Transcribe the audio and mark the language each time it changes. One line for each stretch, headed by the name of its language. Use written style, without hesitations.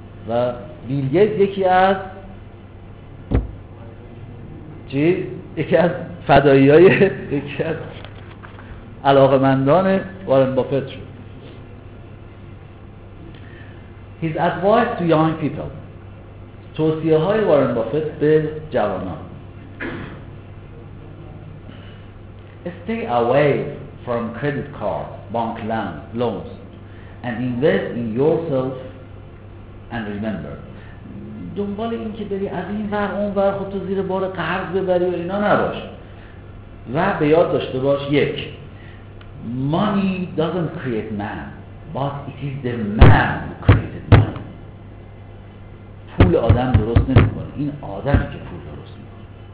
Persian: و بیل گیتس یکی از چیز یکی از فدایی های یکی از علاقمندان وارن بافت شد.
English: His advice to young people.
Persian: توصیه های وارن بافت به جوانان.
English: Stay away from credit cards, bank loans and invest in yourself and remember.
Persian: دنبال این که بری از این ور اون ور خودتو زیر بار قرض ببری و اینا نباش. و به یاد داشته باش یک،
English: money doesn't create man but it is the man who created man.
Persian: پول آدم درست نمی کنه، این آدمی که پول درست می کنه.